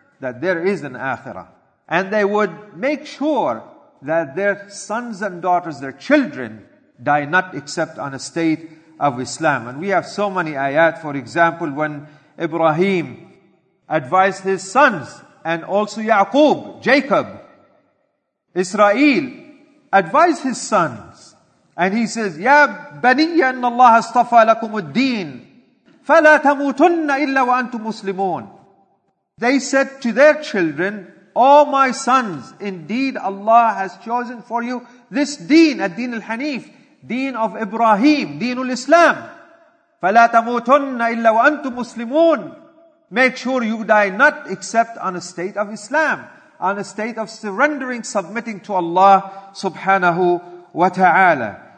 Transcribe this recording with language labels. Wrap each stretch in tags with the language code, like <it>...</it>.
<en>that there is an akhirah. And they would make sure that their sons and daughters, their children, die not except on a state of Islam. And we have so many ayat. For example, when Ibrahim advised his sons, and also Yaqub, Jacob, Israel, advised his sons.</en> <ar>And he says, يَا بَنِيَّ أَنَّ اللَّهَ اصْطَفَى لَكُمُ الدِّينَ فَلَا تَمُوتُنَّ إِلَّا وَأَنْتُمْ مُسْلِمُونَ.</ar> <en>They said to their children, O my sons, indeed Allah has chosen for you this deen, ad-deen al-hanif, deen of Ibrahim, deen al-Islam.</en> <ar>فَلَا تَمُوتُنَّ إِلَّا وَأَنْتُمْ مُسْلِمُونَ.</ar> <en>Make sure you die not except on a state of Islam, on a state of surrendering, submitting to Allah subhanahu wa ta'ala.</en>